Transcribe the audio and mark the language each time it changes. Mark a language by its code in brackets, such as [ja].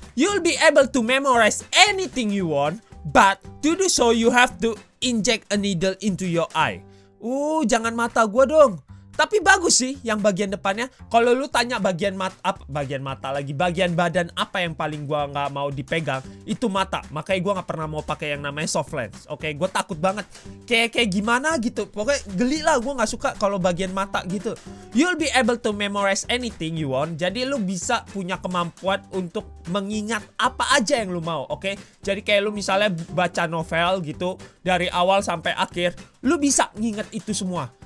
[en] You'll be able to memorize anything you want, but to do so you have to inject a needle into your eye. [id] Jangan mata gue dong. Tapi bagus sih yang bagian depannya. Kalau lu tanya bagian badan apa yang paling gua enggak mau dipegang, itu mata. Makanya gua enggak pernah mau pakai yang namanya soft lens. Oke, gua takut banget. Kayak gimana gitu. Pokoknya geli lah, gua enggak suka kalau bagian mata gitu. [en] You'll be able to memorize anything you want. [id] Jadi lu bisa punya kemampuan untuk mengingat apa aja yang lu mau, oke? Jadi kayak lu misalnya baca novel gitu dari awal sampai akhir, lu bisa nginget itu semua.